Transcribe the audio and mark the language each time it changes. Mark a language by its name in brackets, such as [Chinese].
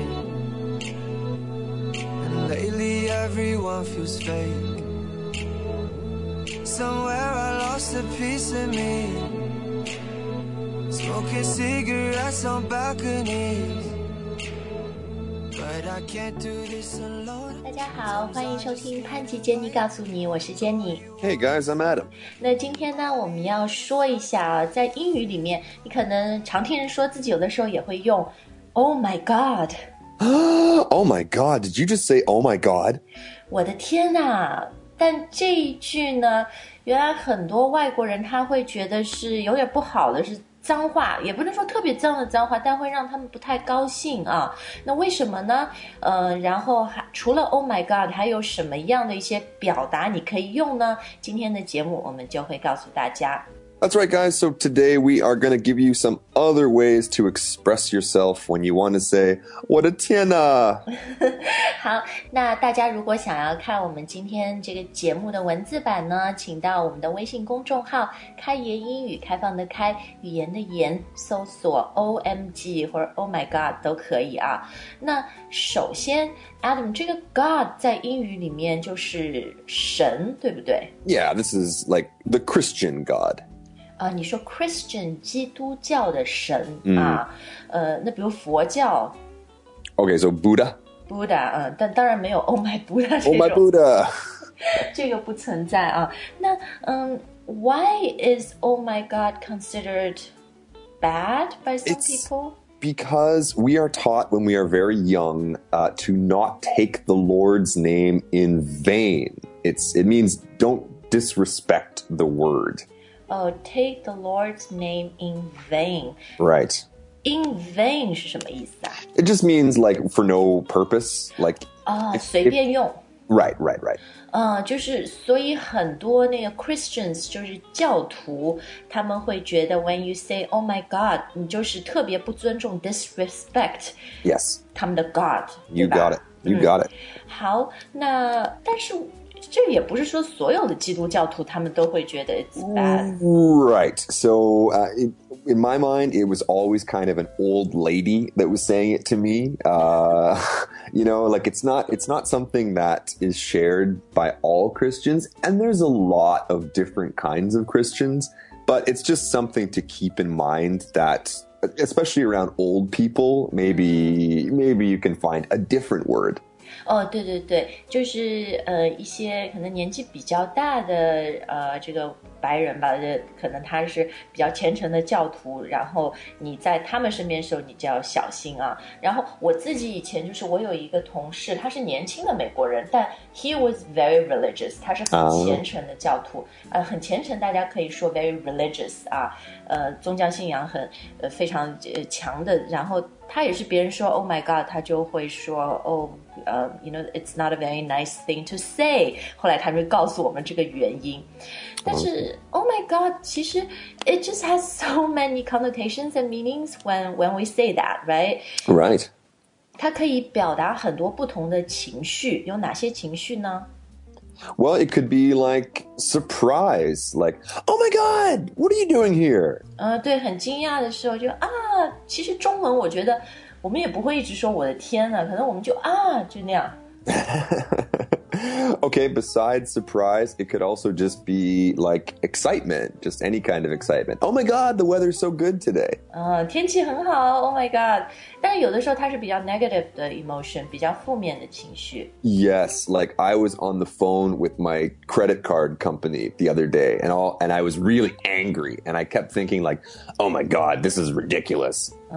[English] And lately everyone feels fake. Somewhere I lost a piece of me. Smoking cigarettes on balconies. But I can't do this alone. [Chinese] 大家好，欢迎收听潘吉Jenny告诉你，我是 Jenny。 [English] Hey guys, I'm Adam。 [Chinese] 那今天呢，我们要说一下，在英语里面，你可能常听人说自己有的时候也会用 [English] Oh my God。 Oh my God, did you just say Oh my God? [Chinese] 我的天哪！但这一句呢，原来很多外国人他会觉得是有点不好的，是脏话，也不能说特别脏的脏话，但会让他们不太高兴啊。那为什么呢？然后除了 Oh my God, 还有什么样的一些表达你可以用呢？今天的节目我们就会告诉大家。 [English] That's right, guys. So today we are going to give you some other ways to express yourself when you want to say, [Chinese] 我的天哪！好，那大家如果想要看我们今天这个节目的文字版呢，请到我们的微信公众号开言英语，开放的开，语言的言，搜索 OMG 或者 Oh my God 都可以啊。那首先 Adam, 这个 God 在英语里面就是神，对不对？ [English] Yeah, this is like the Christian God. [Chinese] 你说 Christian 基督教的神、那比如佛教 [English] Okay, so Buddha [Chinese] Buddha,、但当然没有 [English] Oh my Buddha [Chinese] 这种 [English] Oh my Buddha [Chinese] 这个不存在啊。那、 [English] Why is Oh my God considered bad by some、 It's、 people? Because we are taught when we are very young、to not take the Lord's name in vain. It means don't disrespect the word take the Lord's name in vain. Right. [Chinese] In vain 是什么意思啊? [English] It just means like for no purpose, like... [Chinese] 随便用。 [English] Right, right, right. [Chinese] 就是所以很多那个 Christians, 就是教徒,他们会觉得 [English] when you say, oh my God, [Chinese] 你就是特别不尊重 disrespect. [English] Yes. [Chinese] 他们的 God, [English] You got it, you got it. [Chinese] 好,那但是这也不是说所有的基督教徒他们都会觉得 [English] it's bad. Right. So, in my mind, it was always kind of an old lady that was saying it to me. You know, like it's not something that is shared by all Christians. And there's a lot of different kinds of Christians. But it's just something to keep in mind that... especially around old people, maybe you can find a different word. [Chinese] Oh, 对对对，就是一些可能年纪比较大的这个白人吧，可能他是比较虔诚的教徒，然后你在他们身边的时候你就要小心啊。然后我自己以前就是我有一个同事，他是年轻的美国人，但 [English] he was very religious, [Chinese] 他是很虔诚的教徒、很虔诚，大家可以说 [English] very religious [Chinese] 啊，宗教信仰很非常强的，然后他也是别人说 oh my god, 他就会说 [English] you know, it's not a very nice thing to say, [Chinese] 后来他就告诉我们这个原因。但是 [English] oh my god, [Chinese] 其实 [English] it just has so many connotations and meanings when we say that, right? Right. [Chinese] 它可以表达很多不同的情绪，有哪些情绪呢？ [English] Well, it could be like surprise, like, oh my god, what are you doing here? [Chinese] 对，很惊讶的时候就啊，其实中文我觉得我们也不会一直说我的天啊，可能我们就啊，就那样。 [English] Okay, besides surprise, it could also just be like excitement, just any kind of excitement. Oh my god, the weather's so good today. [Chinese] 天气很好 [English] oh my god. [Chinese] 但有的时候它是比较 negative 的 emotion, 比较负面的情绪。 [English] Yes, like I was on the phone with my credit card company the other day, and I was really angry, and I kept thinking like, oh my god, this is ridiculous.